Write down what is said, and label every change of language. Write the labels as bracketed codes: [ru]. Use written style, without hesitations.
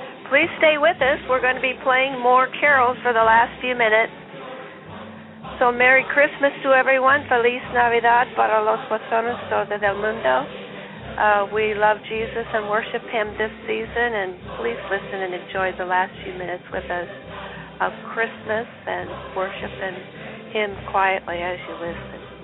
[en] please stay with us. We're going to be playing more carols for the last few minutes. So Merry Christmas to everyone. [es] Feliz Navidad para los personas todo del mundo. [en] We love Jesus and worship him this season, and please listen and enjoy the last few minutes with us of Christmas and worshiping him quietly as you listen.